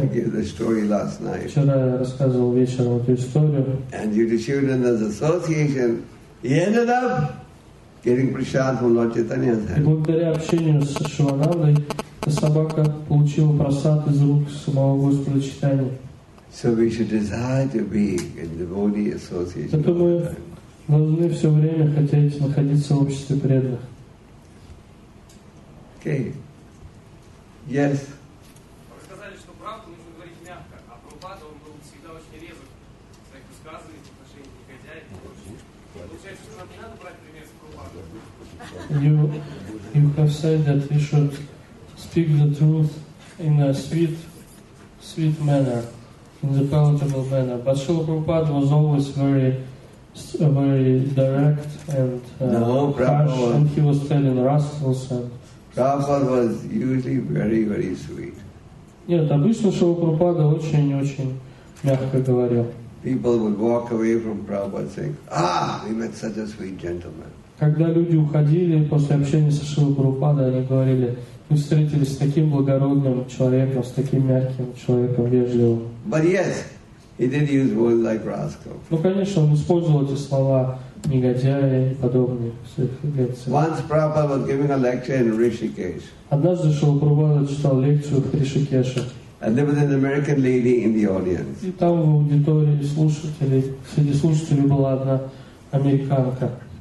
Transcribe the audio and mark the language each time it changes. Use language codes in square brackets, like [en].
[en] I gave the story last night. [ru] Вчера я рассказывал вечером эту историю. [en] And due to Shivananda's association, he ended up getting prasad from Lord Chaitanya's hand. [ru] И благодаря общению с Шиванандой, эта собака получила прасад из рук самого Господа Чайтаньи. [en] So we should desire to be in devotee association. [ru] Поэтому мы должны все время хотеть находиться в обществе преданных. [en] Okay. Yes. [ru] Вы сказали, что правду нужно говорить мягко, а Прабхупада он был всегда очень резок, высказывая отношения негодяев. Получается, что нам не надо брать пример с Прабхупады. [en] You have said that we should speak the truth in a sweet manner. In the palatable manner. But Srila Prabhupada was always very, very direct and harsh, and he was telling rascals. Prabhupada was usually very, very sweet. [ru] Нет, обычно Шрила Прабхупада очень-очень мягко говорил. [en] People would walk away from Prabhupada saying, "Ah, we met such a sweet gentleman." [ru] Когда люди уходили после общения со Шрилой Прабхупадой, они говорили, Мы встретились с таким благородным человеком, с таким мягким человеком, вежливым. [en] But yes, he did use words like rascal. [ru] Ну, конечно, он использовал эти слова негодяи и подобные. [en] Once Prabhupada was giving a lecture in Rishikesh. [ru] Однажды Шрила Прабхупада читал лекцию в Ришикеше. [en] And there was an American lady in the audience. [ru] И там в аудитории слушателей, среди слушателей была одна американка.